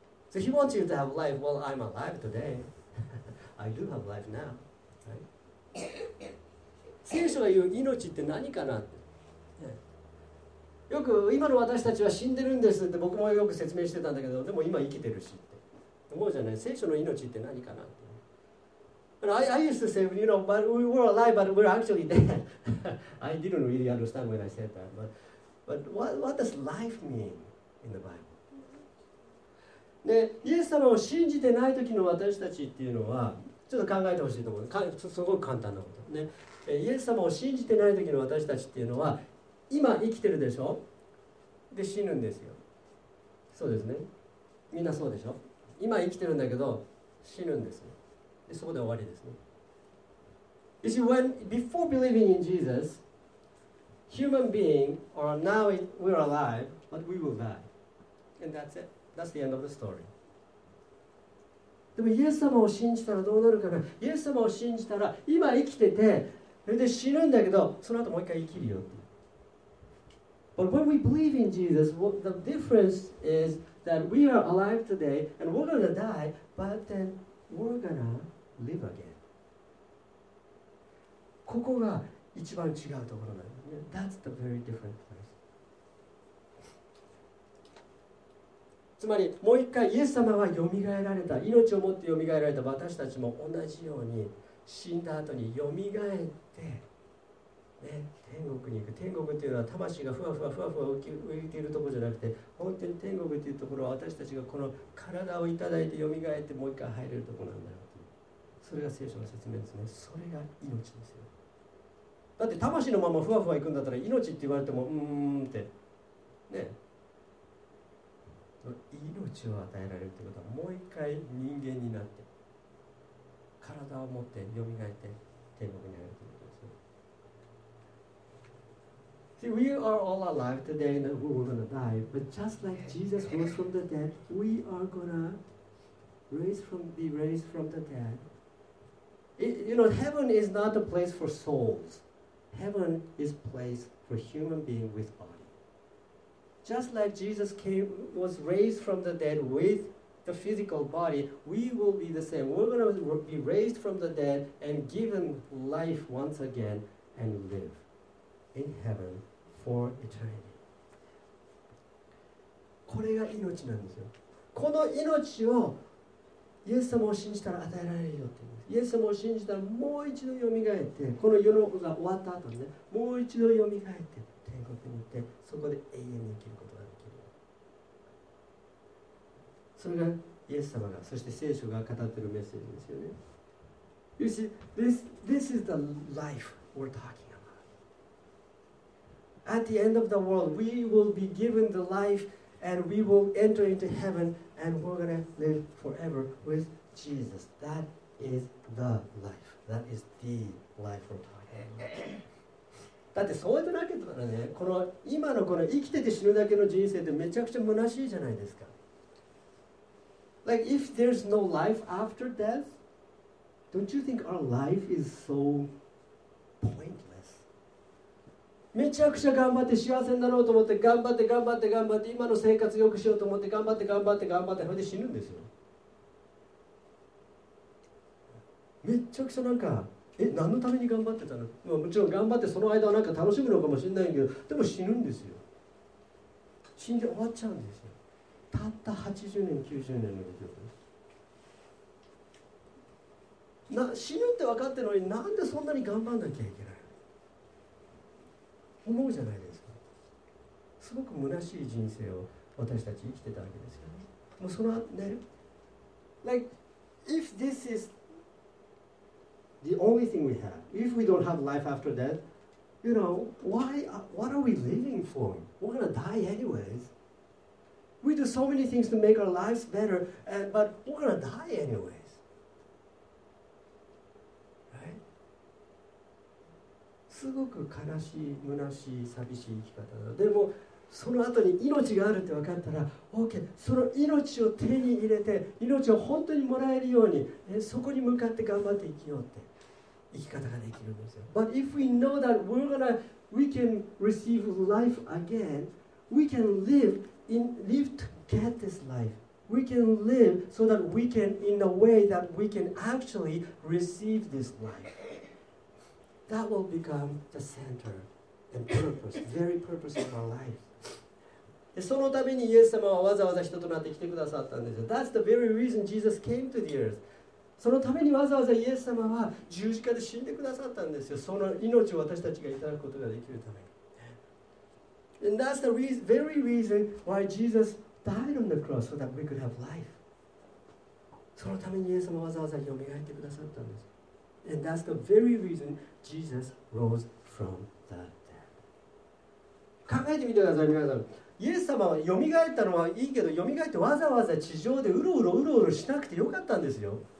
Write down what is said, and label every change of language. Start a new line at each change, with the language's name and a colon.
English: So he wants you to have life. Well, I'm alive today. I do have life now. Right?
Japanese: 聖書が言う命って何かなって。よく今の私たちは死んでるんですって僕もよく説明してたんだけど、でも今生きてるしって思うじゃない。聖書の命って何かなって。
English: I used to say, you know, but we were alive, but we're actually dead. I didn't really understand when I said that. But what does life mean in the Bible?
Japanese: で、イエス様を信じてない時の私たちっていうのは、ちょっと考えてほしいと思う。すごく簡単なこと。ね、イエス様を信じてない時の私たちっていうのは、今生きてるでしょ？で、死ぬんですよ。そうですね。みんなそうでしょ？今生きてるんだけど、死ぬんですよ。そこで終わりですね。
English: You see, when before believing in Jesus, human being are now we are alive, but we will die, and that's it. That's the end of the story.
Japanese: でもイエス様を信じたらどうなるかな。イエス様を信じたら今生きてて、それで死ぬんだけど、その後もう一回生きるよって。
English: But when we believe in Jesus, the difference is that we are alive today and we're gonna die, but then we're gonna live again.
Japanese: ここが一番違うところなんですね。
English: That's the very different place.
Japanese: つまりもう一回イエス様は蘇られた、命を持って蘇られた私たちも同じように死んだ後に蘇って、ね、天国に行く。天国っていうのは魂がふわふわふわふわ浮いているところじゃなくて、本当に天国っていうところは私たちがこの体をいただいて蘇ってもう一回入れるところなんだよ。それが聖書の説明ですね。それが命ですよ。だって魂のままふわふわいくんだったら命って言われてもうーんってね。命を与えられるということはもう一回人間になって体を持って蘇って天国に入るということですよ。
English: See, we are all alive today and we're gonna die, but just like Jesus rose from the dead, we are gonna be raised from the dead. You know, heaven is not a place for souls. Heaven is a place for human beings with body. Just like Jesus was raised from the dead with the physical body, we will be the same. We're going to be raised from the dead and given life once again and live in heaven for eternity.
Japanese: これが命なんですよ。この命をイエス様を信じたら与えられるよって言います。イエス様を信じたらもう一度蘇って、この世の子が終わった後にね、もう一度蘇って天国に行って、そこで永遠に生きることができる。それがイエス様が、そして聖書が語っているメッセージですよね。
English: You see, this is the life we're talking about. At the end of the world, we will be given the life and we will enter into heaven. And we're gonna live forever with Jesus. That is the life. That is the life we're talking about.
Japanese: だってそうやってなきゃったらね、この今のこの生きてて死ぬだけの人生ってめちゃくちゃ虚しいじゃないですか。
English: Like if there's no life after death, don't you think our life is so pointless?
Japanese: めちゃくちゃ頑張って幸せになろうと思って頑張って頑張って頑張って今の生活良くしようと思って頑張って頑張って頑張ってそれで死ぬんですよ。めちゃくちゃなんか何のために頑張ってたの。まあ、もちろん頑張ってその間はなんか楽しむのかもしれないけど、でも死ぬんですよ。死んで終わっちゃうんですよ。たった80年90年の時よ。死ぬって分かってるのになんでそんなに頑張んなきゃいけない思うじゃないですか。すごく虚しい人生を私たち生きてたわけですよね。もうその後ね、
English: Like if this is the only thing we have, if we don't have life after death, you know, why? What are we living for? We're gonna die anyways. We do so many things to make our lives better, but we're gonna die anyways.
Japanese: すごく悲しい、虚しい、寂しい生き方だ。でもその後に命があるって分かったら OK、 その命を手に入れて命を本当にもらえるように、そこに向かって頑張って生きようって生き方ができるんですよ。
English: But if we know that we can receive life again, we can live to get this life. We can live so that we can, in a way that we can actually receive this life. That will become the center and purpose, very purpose of our life.
Japanese: そのためにイエス様はわざわざ人となって来てくださったんですよ。
English: That's the very reason Jesus came to the earth.
Japanese: そのためにわざわざイエス様は十字架で死んでくださったんですよ。その命を私たちがいただくことができるために。
English: And that's the very reason why Jesus died on the cross, so that we could have life.
Japanese: そのためにイエス様はわざわざ蘇ってくださったんです。
English: And that's the very reason Jesus rose from the dead.
Japanese: 考えてみてください、皆さん。イエス様は蘇ったのはいいけど、蘇ってわざわざ地上でうろうろしなくてよかったんですよ。